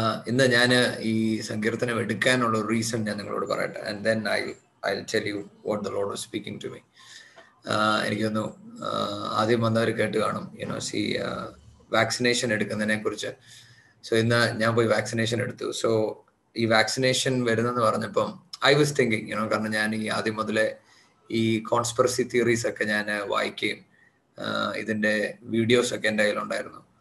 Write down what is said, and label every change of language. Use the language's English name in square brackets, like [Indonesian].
[Malayalam] ഇന്ന് ഞാൻ ഈ സങ്കീർത്തനം എടുക്കാനുള്ള ഒരു റീസൺ ഞാൻ നിങ്ങളോട് പറയട്ടെ. [English] And then I'll tell you what the Lord was speaking to me. [Malayalam] എനിക്കൊന്നു ആദ്യം വന്നവർ കേട്ട് കാണും, [English] you know, see, [Malayalam] വാക്സിനേഷൻ എടുക്കുന്നതിനെ കുറിച്ച്. സോ ഇന്ന് ഞാൻ പോയി വാക്സിനേഷൻ എടുത്തു. സോ ഈ വാക്സിനേഷൻ വരുന്നെന്ന് പറഞ്ഞപ്പം [English] I was thinking, you know, [Malayalam] കാരണം ഞാൻ ഈ ആദ്യം മുതലേ ഈ കോൺസ്പിറസി തിയറീസ് ഒക്കെ ഞാൻ വായിക്കുകയും ഇതിൻ്റെ വീഡിയോസ് ഒക്കെ എൻ്റെ കയ്യിലുണ്ടായിരുന്നു.